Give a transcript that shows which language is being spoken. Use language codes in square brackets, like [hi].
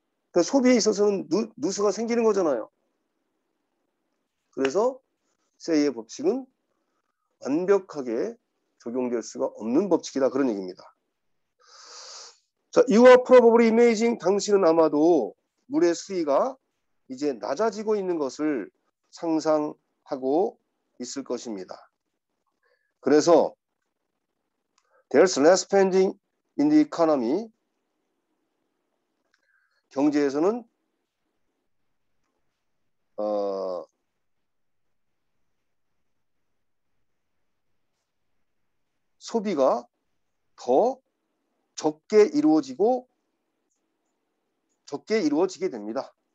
[ko] 그러니까 소비에 있어서는 누수가 생기는 거잖아요. 그래서 세이의 법칙은 완벽하게 적용될 수가 없는 법칙이다. 그런 얘기입니다. 자, [en] You are probably imagining [ko] 당신은 아마도 물의 수위가 이제 낮아지고 있는 것을 상상하고 있을 것입니다. 그래서 [en] There's less spending in the economy. [ko] 경제에서는 소비가 더 적게 이루어지고 적게 이루어지게 됩니다.